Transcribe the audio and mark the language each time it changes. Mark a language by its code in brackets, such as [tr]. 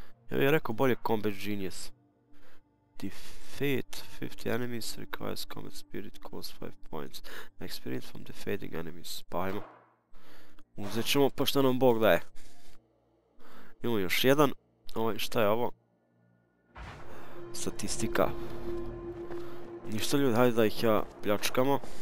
[bs] Ja bih rekao bolje combat genius. [en] Defeat 50 enemies requires combat spirit, cost 5 points. Experience from defeating enemies. [bs] Pa ajmo. Uzet ćemo pa šta nam Bog daje. Imamo još jedan. Ovo, šta je ovo? Statistika. Ništa ljudi, hajde da ih ja pljačkamo.